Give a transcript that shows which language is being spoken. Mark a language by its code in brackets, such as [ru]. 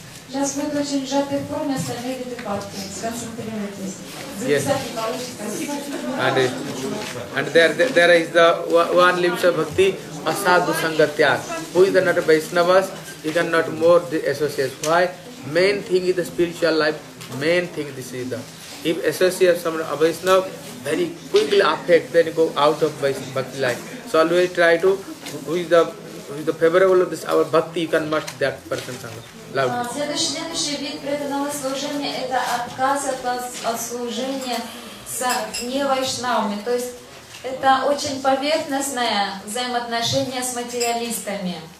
[ru] Сейчас будет очень сжатый форме, остальные виды партии. Сконцентрируйтесь. Записать [en] yes. [ru] И получить. Спасибо. [en] And there is the one limbs of bhakti, asadhu sangatya. Who is the not Vaishnavas, he cannot more the associates. Why? Main thing is the spiritual life. Main thing this is the. If associates some Vaishnav, very quickly affect, then go out of bhakti life. So always try to, who is the favorable of this, our bhakti, you can must that person sangha. [ru] Следующий вид преданного служения – это отказ от служения с невайшнавами. То есть это очень поверхностное взаимоотношение с материалистами.